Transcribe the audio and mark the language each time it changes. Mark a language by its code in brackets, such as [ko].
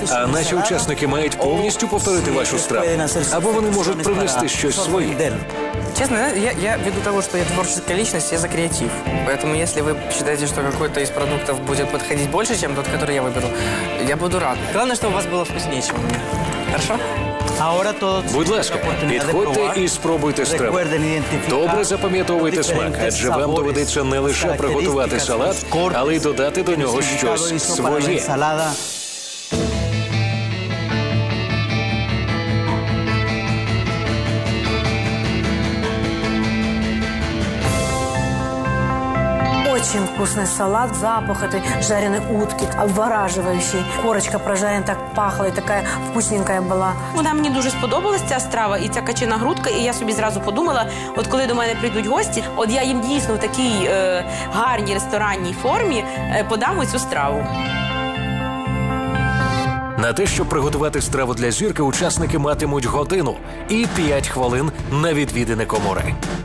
[uk] а наші учасники мають повністю повторити вашу страву? Або вони можуть принести щось своє? [ru] Честно, я ввиду того, что я творческая личность, я за креатив. Поэтому если вы считаете, что какой-то из продуктов будет подходить больше, чем тот, который я выберу, я буду рад. Главное, чтобы у вас было вкуснее, чем у меня. Хорошо? [uk] Будь ласка, підходьте і спробуйте страву. Добре запам'ятовуйте смак, адже вам доведеться не лише приготувати салат, але й додати до нього щось своє. [ru] Очень вкусный салат, запах этой жареной утки, обвораживающий. Корочка прожарена так пахла и такая вкусненькая была. [uk] Нам не дуже сподобалась ця страва і ця качена грудка, і я собі зразу подумала, от коли до мене прийдуть гості, от я їм дійсно в такій гарній ресторанній формі подам цю страву. На те, щоб приготувати страву для зірки, учасники матимуть годину і 5 хвилин на відвідини комори.